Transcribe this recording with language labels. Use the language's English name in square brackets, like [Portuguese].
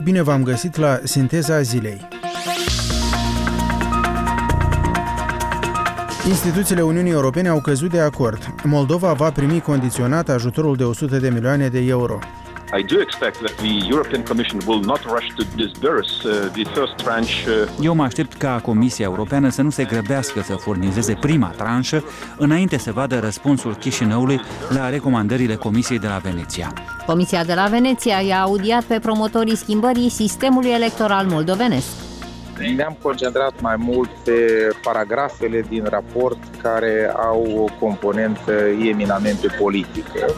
[Romanian] Bine v-am găsit la Sinteza Zilei. Instituțiile Uniunii Europene au căzut de acord. Moldova va primi condiționat ajutorul de 100 de milioane de euro. [English] I do expect that the European Commission will not rush to disburse the first tranche. [Romanian] Eu mă aștept ca Comisia Europeană să nu se grăbească să furnizeze prima tranșă înainte să vadă răspunsul Chișinăului la recomandările Comisiei de la Veneția. Comisia de la Veneția i-a audiat pe promotorii schimbării sistemului electoral moldovenesc. Ne-am concentrat mai mult pe paragrafele din raport care au o componentă eminamente politică.